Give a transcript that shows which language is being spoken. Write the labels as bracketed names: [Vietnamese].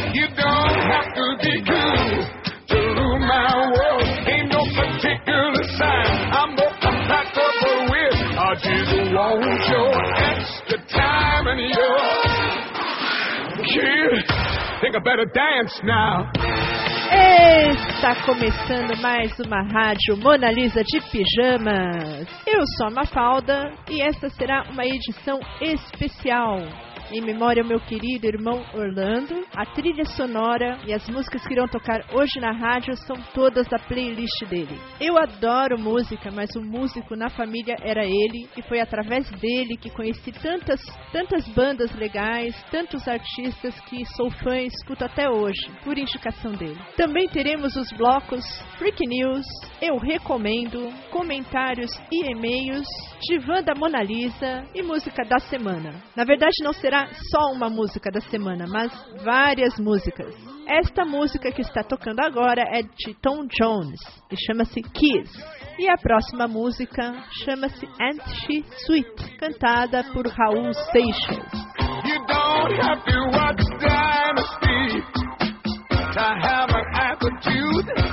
[English] You don't have to be cool to rule my world. Ain't no particular sign I'm more compatible with. I just want your extra time and your kid. Think I better dance now. [Portuguese] Está começando mais uma Rádio Mona Lisa de Pijamas. Eu sou a Mafalda e esta será uma edição especial. Em memória ao meu querido irmão Orlando, a trilha sonora e as músicas que irão tocar hoje na rádio são todas da playlist dele. Eu adoro música, mas o músico na família era ele, e foi através dele que conheci tantas bandas legais, tantos artistas que sou fã e escuto até hoje, por indicação dele. Também teremos os blocos Freak News, Eu Recomendo, Comentários e E-mails, Divã da Mona Lisa e Música da Semana. Na verdade, não será só uma música da semana, mas várias músicas. Esta música que está tocando agora é de Tom Jones e chama-se Kiss. E a próxima música chama-se Ain't She Sweet, cantada por Raul Seixas. [English] You don't have to watch Dynasty to have an attitude.